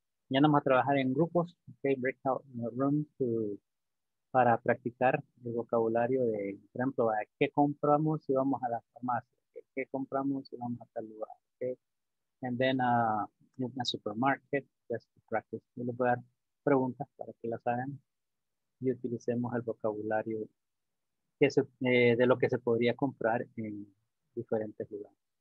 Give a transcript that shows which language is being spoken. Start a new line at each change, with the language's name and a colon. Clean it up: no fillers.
Spanish: Ya vamos a trabajar en grupos, okay,
English: breakout rooms to
Spanish: para practicar el vocabulario de, por ejemplo, ¿qué compramos si vamos a la farmacia? ¿Qué compramos si vamos a tal lugar? Okay.
English: And then in a supermarket, just to practice.
Spanish: Yo les voy a dar preguntas para que las hagan y utilicemos el vocabulario que se, de lo que se podría comprar en diferentes lugares.